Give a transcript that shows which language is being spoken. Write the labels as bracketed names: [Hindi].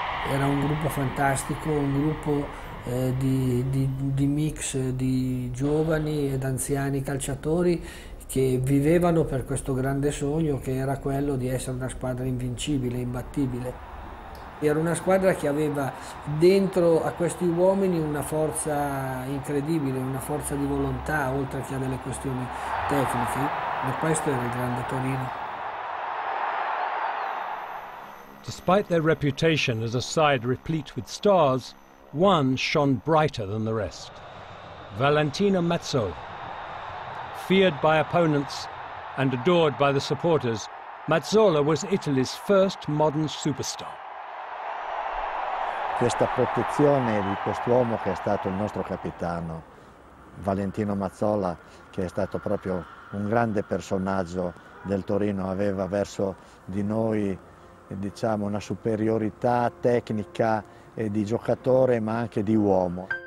[Italian] Era un gruppo fantastico, un gruppo di mix di giovani ed anziani calciatori che vivevano per questo grande sogno che era quello di essere una squadra invincibile, imbattibile. Era una squadra che aveva dentro a questi uomini una forza incredibile, una forza di volontà, oltre che a delle questioni tecniche. E questo era il grande Torino. [English] Despite their reputation as a side replete with stars, one shone brighter than the rest. Valentino Mazzola. Feared by opponents and adored by the supporters, Mazzola was Italy's first modern superstar. [Italian] Questa protezione di quest'uomo che è stato il nostro capitano, Valentino Mazzola, che è stato proprio un grande personaggio del Torino, aveva verso di noi, diciamo, una superiorità tecnica e di giocatore, ma anche di uomo.